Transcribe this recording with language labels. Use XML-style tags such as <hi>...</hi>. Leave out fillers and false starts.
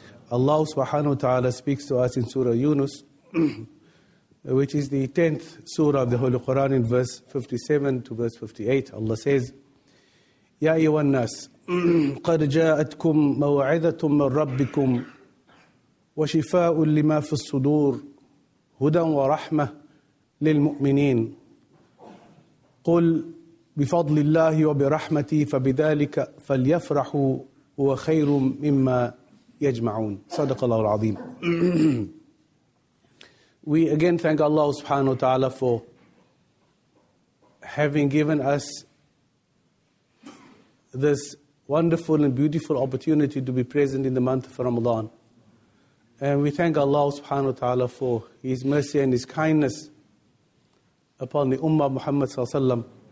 <en>Allah subhanahu wa ta'ala speaks to us in Surah Yunus, which is the 10th surah of the Holy Quran, in verse 57 to verse 58. Allah says,</en> <ar>يا أيها الناس قد جاءتكم موعظة من ربكم وشفاء لما في الصدور هدى ورحمة للمؤمنين قل بفضل الله وبرحمتي فبذلك فليفرحوا هو خير مما يجمعون صدق الله العظيم.</ar> <en>We again thank Allah subhanahu wa ta'ala for having given us this wonderful and beautiful opportunity to be present in the month of Ramadan, and we thank Allah subhanahu wa ta'ala for his mercy and his kindness upon the Ummah of Muhammad sallallahu alayhi wa sallam.</en>